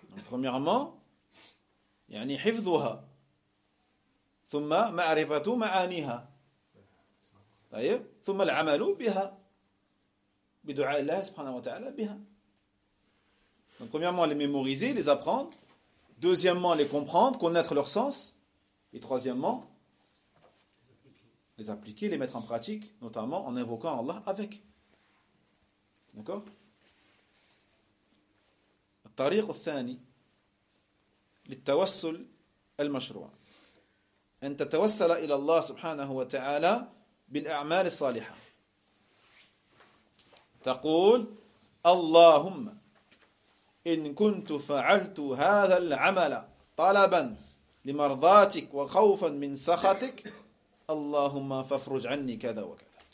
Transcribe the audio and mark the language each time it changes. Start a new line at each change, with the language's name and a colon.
French: Premièrement,
Arabic: يعني حفظها ثم معرفة معانيها طيب ثم العمل بها بدعاء الله سبحانه وتعالى بها.
French: Donc premièrement les mémoriser, les apprendre. Deuxièmement les comprendre, connaître leur sens. Et troisièmement les appliquer, les mettre en pratique, notamment en invoquant Allah avec. D'accord?
Arabic: الطريق الثاني للتوسل المشروع أن تتوسل إلى الله سبحانه وتعالى بالأعمال الصالحة. تقول اللهم إن كنت فعلت هذا العمل طلبا لمرضاتك وخوفا من سخطك اللهم فافرج عني كذا وكذا.